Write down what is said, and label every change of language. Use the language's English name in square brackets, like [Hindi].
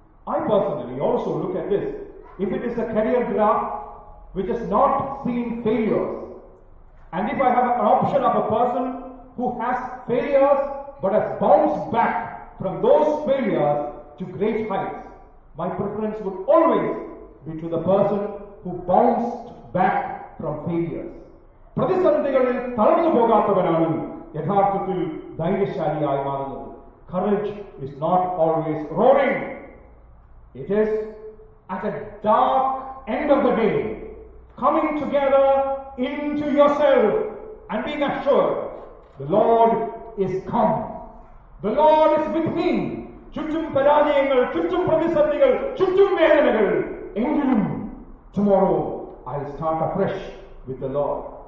[English] I personally also look at this. If it is a career graph which has not seen failures, and if I have an option of a person who has failures but has bounced back from those failures to great heights, my preference would always be to the person who bounced back from failures. [Malayalam] പ്രതിസന്ധികളിൽ തളർന്നു പോകാത്തവനാണ് യഥാർത്ഥത്തിൽ ധൈര്യശാലിയായി മാറുന്നത്. [English] Courage is not always roaring. It is at a dark end of the day, coming together into yourself and being assured, the Lord is come. The Lord is with me. [Malayalam] ചുറ്റും പരാജയങ്ങൾ, ചുറ്റും പ്രതിസന്ധികൾ, ചുറ്റും വേദനകൾ. എങ്കിലും [English] tomorrow I'll start afresh with the Lord.